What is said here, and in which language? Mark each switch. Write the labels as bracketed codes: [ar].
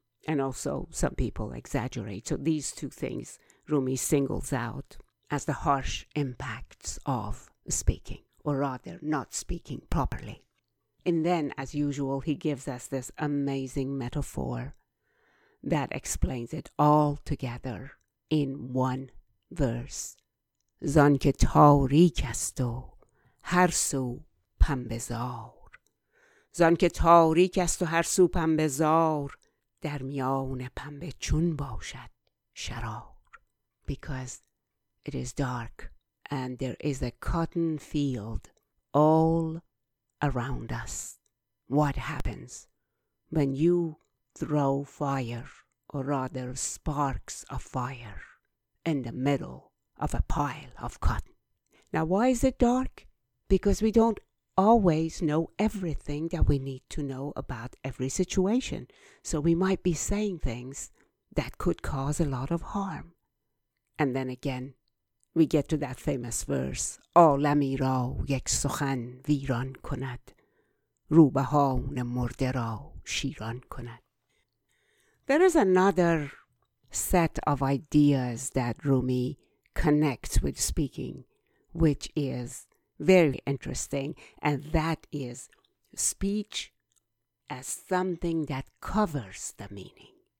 [en] And also some people exaggerate. So these two things Rumi singles out as the harsh impacts of speaking, or rather not speaking properly. And then, as usual, he gives us this amazing metaphor that explains it all together in one verse. [fa] زان که تاریک است و هر سو پنبه‌زار. زان که تاریک است و هر سو پنبه‌زار. در میان پنبه چون باشد شرار. [en] Because it is dark and there is a cotton field all around us. What happens when you throw fire, or rather sparks of fire, in the middle of a pile of cotton? Now, why is it dark? Because we don't always know everything that we need to know about every situation. So we might be saying things that could cause a lot of harm. And then again, we get to that famous verse, [fa] عالمی را یک سخن ویران کند، روبهان مرده را شیران کند. [en] There is another set of ideas that Rumi connects with speaking, which is very interesting, and that is speech as something that covers the meaning.